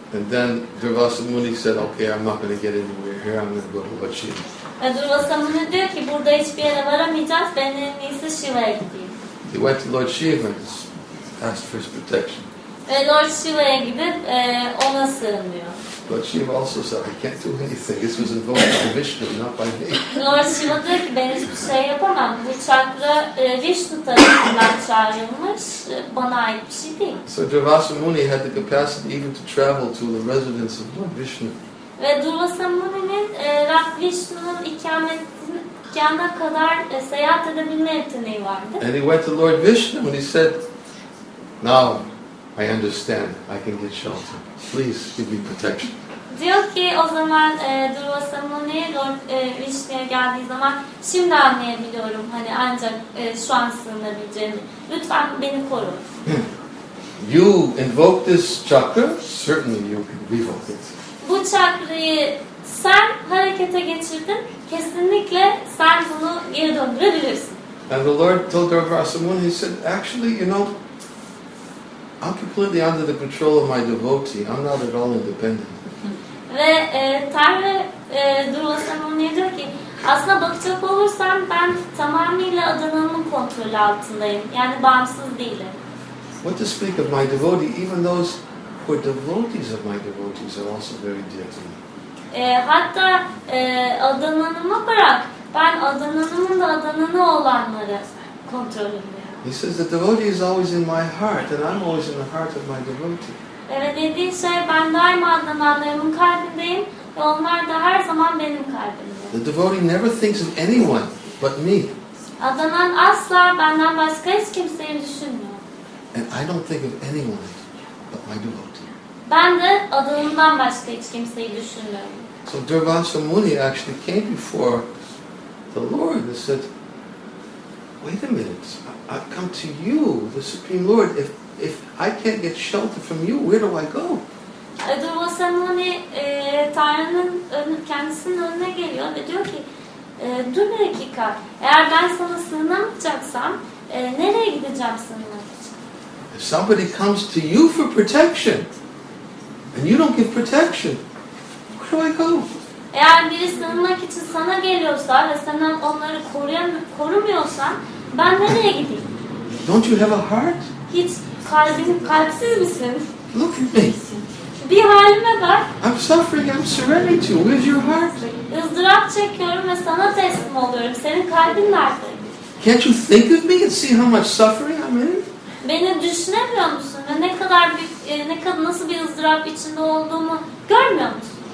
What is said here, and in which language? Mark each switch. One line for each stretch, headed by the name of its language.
English: And then Durvasa Muni said, "Okay, I'm not going to get anywhere here. I'm going to go to Lord Shiva."
Turkish: And Durvasa Muni diyor ki, "Burada hiçbir yere varamayacağız. Ben en iyisi Shiva'ya gideyim."
English: He went to Lord Shiva and asked for his protection.
Turkish: And Lord Shiva'ya gidip ona sığınıyor.
English: Lord Shiva also said, "I can't do anything. This was invoked by Vishnu, not by me."
Turkish: Lord Shiva diyor ki, "Ben hiçbir şey yapamam. Bu çakra Vishnu tarafından çağrılmış. Bana ait bir şey değil."
English: So Durvasa Muni had the capacity even to travel to the residence of Lord Vishnu.
Turkish: Ve Durvasa Muni'nin Lord Vishnu'nun ikametgahına kadar seyahat edebilme yeteneği vardı.
English: And he went to Lord Vishnu and he said, "Now, I understand. I can get shelter. Please give me protection."
Turkish: Diyor ki, o zaman Durvasa Muni Lord Vishnu'ya geldiği zaman şimdi anlayabiliyorum. Hani ancak şu an sığınabileceğimi. Lütfen beni korun.
English: You invoke this chakra, certainly you can revoke it.
Turkish: Bu çakrayı sen harekete geçirdin. Kesinlikle sen bunu geri döndürebilirsin.
English: And the Lord told Durvasa Muni, he said, "Actually, you know, I'm completely under the control of my devotee. I'm not at all independent."
Turkish: Ve Tanrı Durvasa Muni'ye diyor ki, aslında bakacak olursam ben tamamıyla adanımın kontrolü altındayım. Yani bağımsız değilim.
English: What to speak of my devotee? Even those who are devotees of my devotees are also very dear to me.
Turkish: Hatta adanımı bırak, ben adanımın da adanını olanları kontrolüm.
English: He says the devotee is always in my heart, and I'm always in the heart of my devotee.
Turkish: Evet, dediği şey, ben daima adananlarımın kalbindeyim ve onlar da her zaman benim kalbimde.
English: The devotee never thinks of anyone but me.
Turkish: Adanan asla benden başka hiç kimseyi düşünmüyor.
English: And I don't think of anyone but my devotee.
Turkish: Ben de adanımdan başka hiç kimseyi düşünmüyorum.
English: So Durvasa Muni actually came before the Lord and said, "Wait a minute. I've come to you, the Supreme Lord. If I can't get shelter from you, where do I go?"
Turkish: Durvasa Muni Tanrı'nın kendisinin önüne geliyor ve diyor ki, "Dur bir dakika. Eğer ben sana sığınamayacaksam, nereye gideceğim sığınmak için?"
English: Somebody comes to you for protection, and you don't give protection. Where do I go?
Turkish: Eğer biri sığınmak için sana geliyorsa ve sen onları korumuyorsan, ben nereye gideyim?
English: Don't you have a heart?
Turkish: Hiç kalpsiz misin?
English: Look at me.
Turkish: Bir halime bak.
English: I'm suffering, I'm surrendering to you. Where's your heart?
Turkish: Izdırap çekiyorum ve sana teslim oluyorum. Senin kalbin nerede?
English: Can't you think of me and see how much suffering I'm in?
Turkish: Beni düşünemiyor musun? Ve ne kadar nasıl bir ızdırap içinde olduğumu görmüyor musun?